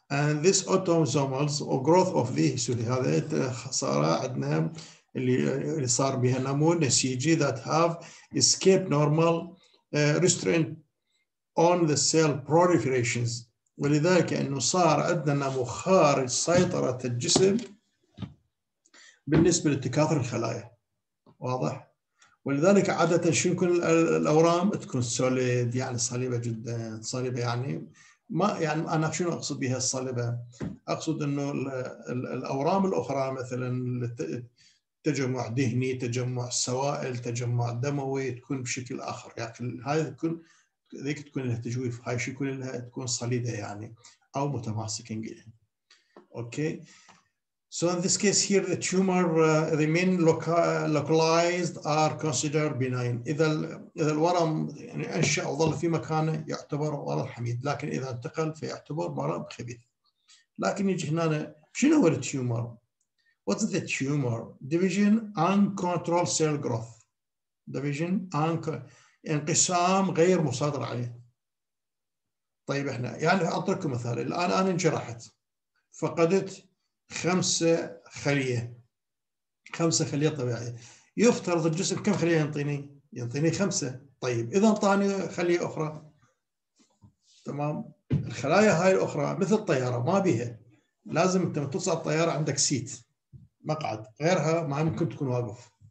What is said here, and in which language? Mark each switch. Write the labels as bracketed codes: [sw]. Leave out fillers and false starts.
[en] And this autosomal or growth of this, [ar] هذا صار عندنا اللي صار بها نمو نسيجي [en] that have escaped normal restraint on the cell proliferations. [ar] ولذلك انه صار عندنا نمو خارج سيطرة الجسم بالنسبة لتكاثر الخلايا. واضح؟ ولذلك عادة شو يكون الأورام تكون سوليد يعني صليبة جدا صليبة يعني ما يعني أنا شنو أقصد بها الصليبة؟ أقصد انه الأورام الأخرى مثلا تجمع دهني تجمع سوائل تجمع دموي تكون بشكل آخر يعني هاي تكون ذيك تكون لها تجويف هاي شو يكون لها تكون صليدة يعني أو متماسكين جدا. [en] Okay so in this case here the tumor remain localized are considered benign. [ar] إذا الورم يعني أنشأ وظل في مكانه يعتبر ورم حميد لكن إذا انتقل فيعتبر ورم خبيث. لكن يجي هنا شنو هو التيومر؟ [en] What's the tumor? Division uncontrolled cell growth. [ar] Division انقسام غير مسيطر عليه. طيب احنا يعني اعطيكم مثال الان انا انجرحت فقدت خمسة خلية طبيعية. يفترض الجسم كم خلية ينطيني خمسة. طيب اذا انطاني خلية اخرى تمام الخلايا هاي الاخرى مثل الطيارة ما بيها لازم انت تصعد الطيارة عندك سيت مقعد غيرها ما ممكن تكون واقف.